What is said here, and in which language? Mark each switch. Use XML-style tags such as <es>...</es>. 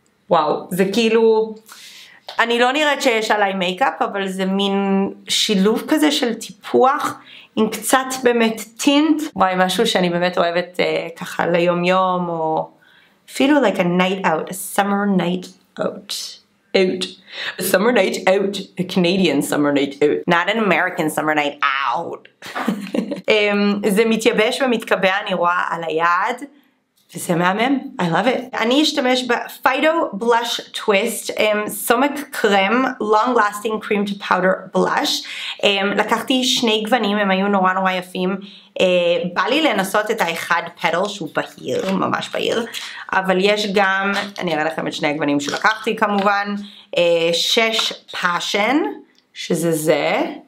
<he>וואו, זה כאילו... אני לא נראית שיש עליי מייקאפ, אבל זה מין שילוב כזה של טיפוח עם קצת באמת טינט. וואי, משהו שאני באמת אוהבת ככה ליום יום, או אפילו</he> <en>like a night out, a summer night out. A summer night out, a Canadian summer night out, not an American summer night out.</en> <he>זה מתייבש ומתקבע, אני רואה על היד. וזה מהמם,</he> <en>I love it.</en> <he>אני אשתמש ב-Fido Blush Twist, סומק קרם, Long Lasting Cream to Powder Blush. לקחתי שני גוונים, הם היו נורא נורא יפים. בא לי לנסות את האחד פדל, שהוא בהיר, ממש בהיר. אבל יש גם, אני אראה לכם את שני הגוונים שלקחתי כמובן, שש פאשן, שזה זה.</he>